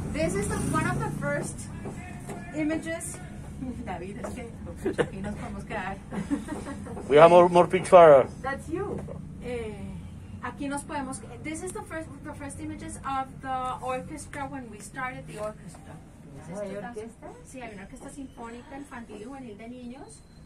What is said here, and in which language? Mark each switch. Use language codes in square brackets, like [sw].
[en] This is one of the first images. [es] David, es que aquí nos podemos quedar. [en] We have more picture. That's you. [es] Aquí nos podemos. [en] This is the first images of the orchestra when we started the orchestra. [es] ¿Hay sí, hay una orquesta sinfónica infantil y juvenil de niños.